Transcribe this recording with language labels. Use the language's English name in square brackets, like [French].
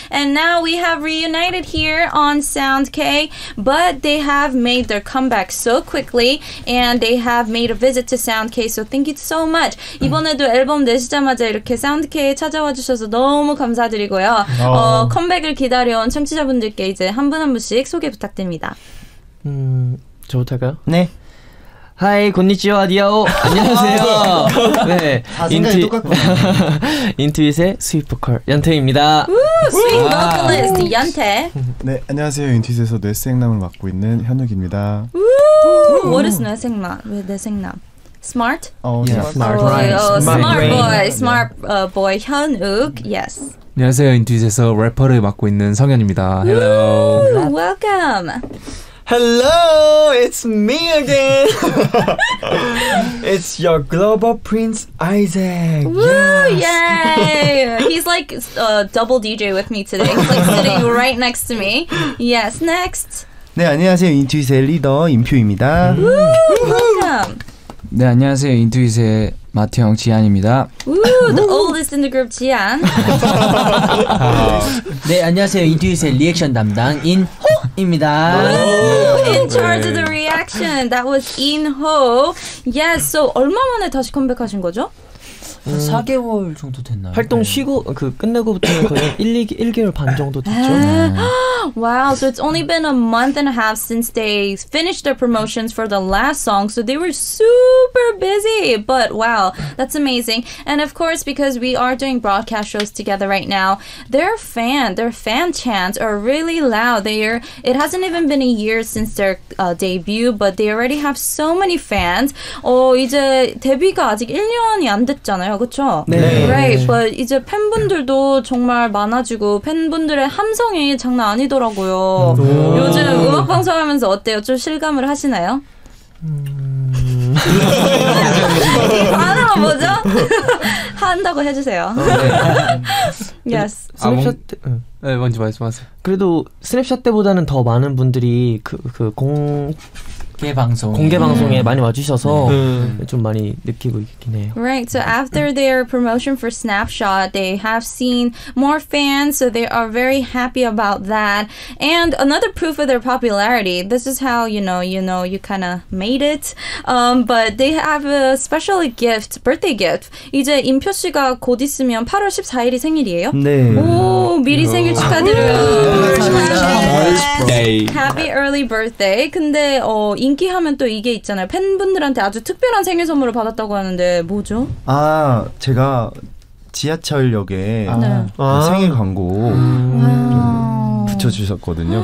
[English] And now we have reunited here on Sound K. But they have made their comeback so quickly. And they have made a visit to Sound K. So thank you so much. [Korean] 이번에도 앨범 내시자마자 이렇게 Sound K에 찾아와 주셔서 너무 감사드리고요. 컴백을 기다려온 청취자분들께 이제 한 분 한 분씩 소개 부탁드립니다. 저부터 할까요? 네. 하이, 곤니치와 디아오. 안녕하세요. 네. 인트윗의 스윗보컬 연태입니다. 스윗보컬리스트 연태. 네, 안녕하세요. 인트윗에서 뇌생남을 맡고 있는 현욱입니다. [English] What is 뇌생남? [Korean] 왜 뇌생남? [English] Smart? Oh, yeah. Smart. Oh, right. smart boy 현욱. Yes. [Korean] 안녕하세요. 인트윗에서 래퍼를 맡고 있는 성현입니다. [English] Hello. Welcome. Hello, it's me again. It's your global prince, Isaac. Woo, yes. Yay! He's like a double DJ with me today. He's like sitting right next to me. Yes, next. [Korean] 네, 안녕하세요. 인투잇의 리더 임표입니다. [English] Woo, welcome. [Korean] 네, 안녕하세요. 인투잇의 마트 형 지안입니다. [English] Woo, the oldest in the group, 지안. [Korean] 네, 안녕하세요. 인투잇의 리액션 담당 인 입니다. [English] In charge of the reaction. That was Inho. Yes. [Korean] So 얼마 만에 다시 컴백하신 거죠? 4개월 정도 됐나요? 활동 네. 쉬고 그 끝내고부터는 거의 1개월 반 정도 됐죠. [English] Wow. So it's only been a month and a half since they finished their promotions for the last song. So they were super busy. But wow, that's amazing. And of course, because we are doing broadcast shows together right now, their fan chants are really loud. It hasn't even been a year since their debut, but they already have so many fans. [Korean] 이제 데뷔가 아직 1년이 안 됐잖아요. 그렇죠? 네. [English] Right, but [Korean] 이제 팬분들도 정말 많아지고 팬분들의 함성이 장난 아니더라고요. 요즘 음악 방송하면서 어때요? 좀 실감을 하시나요? 반응은 뭐죠? 한다고 해주세요. Yes. 스냅샷 때. 네, 먼저 말씀하세요. 그래도 스냅샷 때보다는 더 많은 분들이 그 공개 방송에 많이 와주셔서 좀 많이 느끼고 있긴 해요. [English] Right. So after their promotion for Snapshot, they have seen more fans, so they are very happy about that. And another proof of their popularity. This is how you know you kind of made it. But they have a special gift, birthday gift. [Korean] 이제 임표 씨가 곧 있으면 8월 14일이 생일이에요. 네. 오, 미리 생일 축하드려요. [English] Happy early birthday. [Korean] 근데 인기하면 또 이게 있잖아요. 팬분들한테 아주 특별한 생일 선물을 받았다고 하는데 뭐죠? 아, 제가 지하철역에 생일 광고 붙여주셨거든요.